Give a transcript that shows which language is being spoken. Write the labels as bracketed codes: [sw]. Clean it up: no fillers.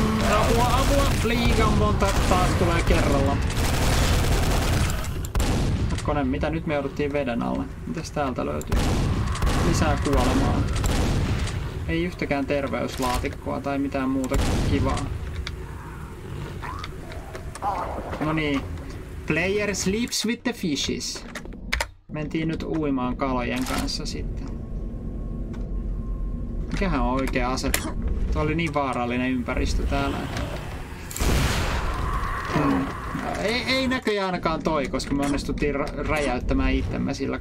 [fi] Apua! Liikan monta taas tulee kerralla. Kone, mitä nyt me jouduttiin veden alle? Mitäs täältä löytyy? Lisää kuolemaa. Ei yhtäkään terveyslaatikkoa tai mitään muuta kivaa. Noniin. [en] Player sleeps with the fishes. [fi] Mentiin nyt uimaan kalojen kanssa sitten. Mikähän on oikea ase? Tuo oli niin vaarallinen ympäristö täällä. Ei näköjään ainakaan toi, koska me onnistuttiin räjäyttämään itsemme sillä.